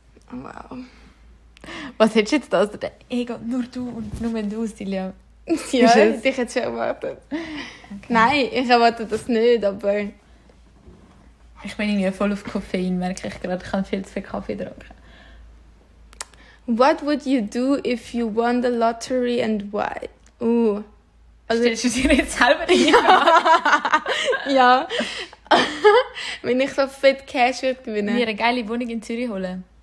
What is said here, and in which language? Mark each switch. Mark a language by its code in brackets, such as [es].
[de] Wow. Was hättest du jetzt da aus der Ego? Nur du und nur du, Silja. Ja, ich hätte es schon erwartet. Okay. Nein, ich erwarte das nicht, aber... Ich bin ja voll auf Koffein, merke ich gerade. Ich kann viel zu viel Kaffee trinken. [en] What would you do if you won the lottery and why? [de] Also, stellst du dir jetzt selber die Frage? Ja. Wenn ich so fett Cash würde gewinnen. Mir eine geile Wohnung in Zürich holen.